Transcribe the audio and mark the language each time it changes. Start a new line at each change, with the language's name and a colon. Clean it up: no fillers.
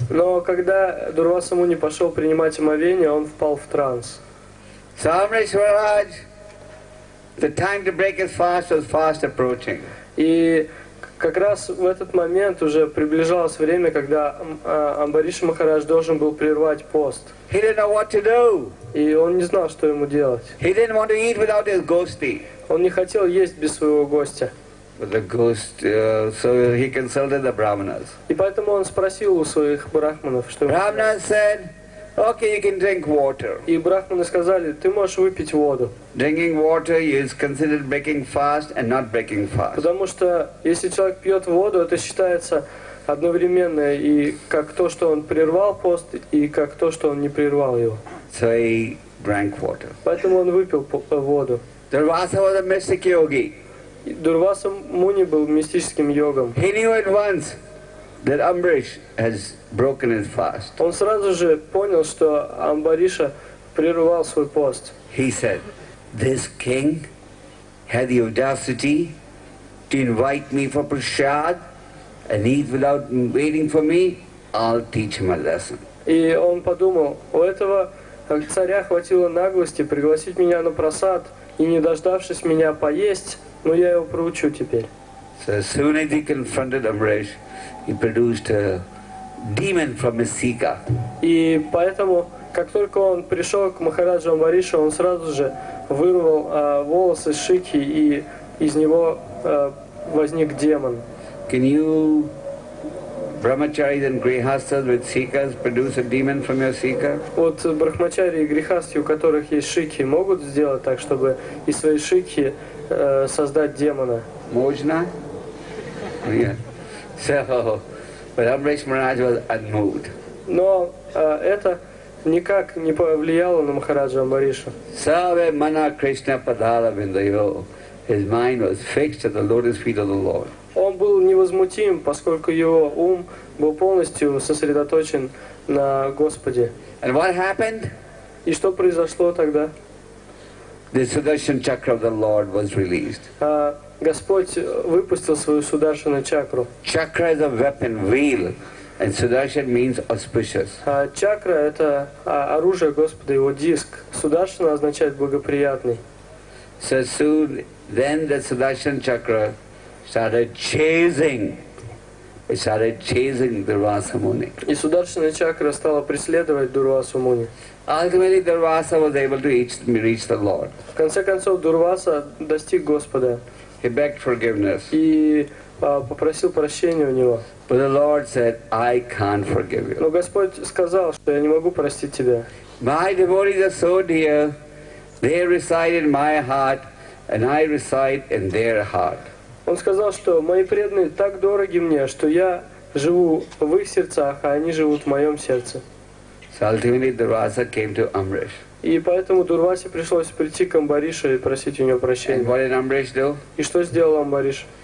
Russian: Но когда Дурваса Муни пошел принимать омовение, он впал в транс.
English: Самришвараж, the time to break his fast was fast approaching.
Russian: И как раз в этот момент уже приближалось время, когда Амбариша Махарадж должен был прервать пост.
English: He didn't know what to do.
Russian: И он не знал, что ему делать.
English: He didn't want to eat without his gosti.
Russian: Он не хотел есть без своего гостя.
English: But the ghost, so he consulted the brahmanas.
Russian: И поэтому он спросил у своих брахманов, что.
English: Brahmanas said, "Okay, you can drink water."
Russian: И брахманы сказали, ты можешь выпить воду.
English: Drinking water is considered breaking fast and not breaking fast.
Russian: Потому что если человек пьет воду, это считается одновременно и как то, что он прервал пост, и как то, что он не прервал его.
English: So he drank water.
Russian: Поэтому он выпил воду.
English: Дурваса was a mystic yogi.
Russian: Дурваса Муни был мистическим йогом.
English: He knew at once that Amrish has broken his fast.
Russian: Он сразу же понял, что Амбариша прервал свой пост.
English: He said, "This king had the audacity to invite me for prasad and eat without waiting for me. I'll teach him a lesson."
Russian: И он подумал, у этого царя хватило наглости пригласить меня на прасад и не дождавшись меня поесть, но я его проучу теперь.
English: So as soon as he confronted Amrish, he produced a demon from his sika.
Russian: И поэтому, как только он пришел к Махараджу Амбаришу, он сразу же вырвал волосы с шики, и из него возник демон.
English: Can you, brahmacharis and grihasthas with sikas, produce a demon from your sika?
Russian: Вот брахмачари и грихасти, у которых есть шики, могут сделать так, чтобы из своей шики создать демона? Можно? Нет.
English: So, but Amrish Maharaj was unmoved.
Russian: Но это никак не повлияло на Махараджа Амбаришу.
Sanskrit: Саве мана Кришна падала виндайо.
English: His mind was fixed at the lotus feet of the Lord.
Russian: Он был невозмутим, поскольку его ум был полностью сосредоточен на Господе.
English: And what happened?
Russian: И что произошло тогда?
English: The Sudarshan chakra of the Lord was released.
Russian: Господь выпустил свою Сударшану чакру.
English: Chakra is a weapon, wheel, and Sudarshan means auspicious.
Russian: Чакра это оружие Господа, его диск. Сударшана означает благоприятный.
English: So soon, then the Sudarshan chakra started chasing. It started chasing Durvasa Muni.
Russian: И Сударшана чакра стала преследовать Дурвасу Муни.
English: Ultimately, Дурваса was able to reach the Lord.
Russian: В конце концов, Дурваса достиг Господа.
English: He begged forgiveness.
Russian: И попросил прощения у него.
English: But the Lord said, "I can't forgive you."
Russian: Но Господь сказал, что я не могу простить тебя.
English: My devotees are so dear; they reside in my heart, and I reside in their heart.
Russian: Он сказал, что мои преданные так дороги мне, что я живу в их сердцах, а они живут в моем сердце.
English: So ultimately, Durvasa came to Amrish.
Russian: И поэтому Дурвасе пришлось прийти к Амбаришу и просить у него прощения.
English: And what did Amrish do?
Russian: И что сделал Амбариш?